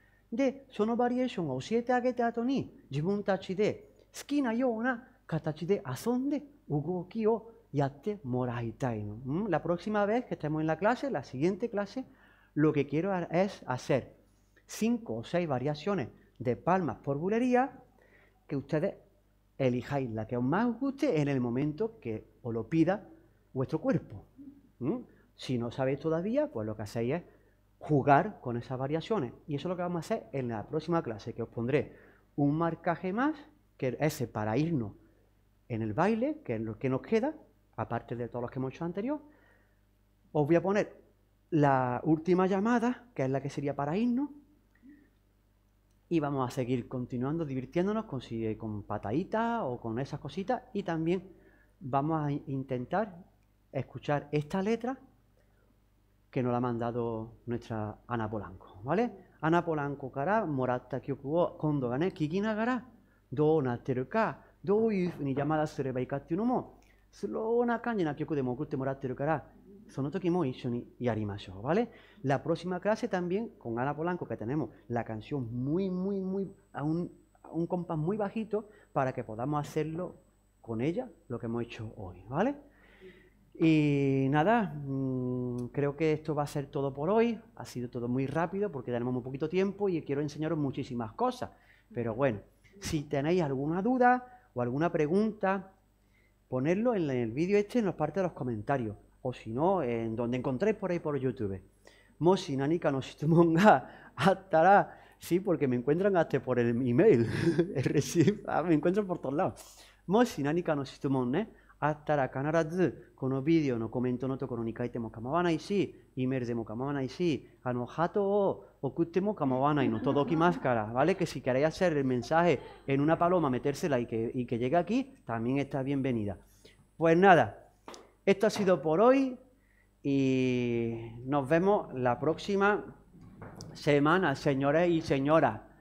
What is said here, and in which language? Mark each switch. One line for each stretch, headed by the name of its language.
Japanese: で、そのバリエーションを教えてあげた後に、自分たちで好きなような形で遊んで、動きをやってもらいたいの。ん？
Spanish: La próxima vez que estemos en la clase, la siguiente clase, lo que quiero es hacer 5 o 6 variaciones de palmas por bulería, que ustedes elijáis la que os más guste en el momento que os lo pida vuestro cuerpo. ¿Mm? Si no sabéis todavía, pues lo que hacéis es... Jugar con esas variaciones. Y eso es lo que vamos a hacer en la próxima clase, que os pondré un marcaje más, que es ese para irnos en el baile, que es lo que nos queda, aparte de todos los que hemos hecho anterior. Os voy a poner la última llamada, que es la que sería para irnos. Y vamos a seguir continuando, divirtiéndonos con pataditas o con esas cositas. Y también vamos a intentar escuchar esta letra,que nos la ha mandado nuestra Ana Polanco, ¿vale? Ana Polanco
Japanese: から、もらった曲を今度がね、聞きながら、どうなってるか、どういうふうに邪魔だすればいいかっていうのも、スローな感じな曲でも送ってもらってるから、その時も一緒にやりましょう、¿vale?
Spanish: La próxima clase también con Ana Polanco, que tenemos la canción muy, muy, muy, a un compás muy bajito, para que podamos hacerlo con ella, lo que hemos hecho hoy, ¿vale? Y nada, creo que esto va a ser todo por hoy. Ha sido todo muy rápido porque tenemos muy poquito tiempo y quiero enseñaros muchísimas cosas. Pero bueno, si tenéis alguna duda o alguna pregunta, ponedlo en el vídeo este en la parte de los comentarios. O si no, en donde encontréis por ahí por YouTube.
Japanese: Moshi nanika no shitumonga attara.
Spanish: Sí, porque me encuentran hasta por el email. Me encuentran por todos lados.
Japanese: Moshi nanika no shitumonga attara kanarazu このビデオのコメントのところに書いても構わないし、イメールでも構わないし、あのハートを送っても構わないの届きますから、
Spanish: vale que si queréis hacer el mensaje en una paloma metérsela y que llegue aquí también está bienvenida. Pues nada, esto ha sido por hoy y nos vemos la próxima semana, señores y señoras.